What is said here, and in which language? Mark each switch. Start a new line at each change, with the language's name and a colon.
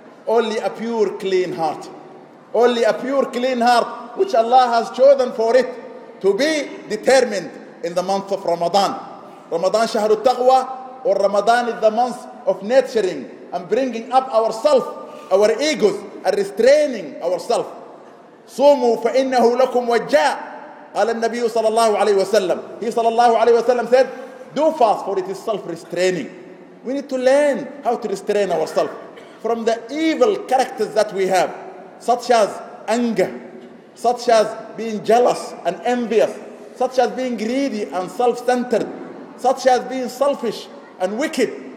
English: Only a pure, clean heart. Only a pure, clean heart, which Allah has chosen for it to be determined in the month of Ramadan. Ramadan
Arabic: shahru taqwa,
English: or Ramadan is the month of nurturing and bringing up ourselves, our egos, and restraining ourselves.
Arabic: صوموا فإنه لكم وجاء قال النبي صلى الله عليه وسلم.
English: He
Arabic: صلى الله عليه وسلم
English: said, do fast, for it is self-restraining. We need to learn how to restrain ourselves from the evil characters that we have, such as anger, such as being jealous and envious, such as being greedy and self-centered, such as being selfish and wicked.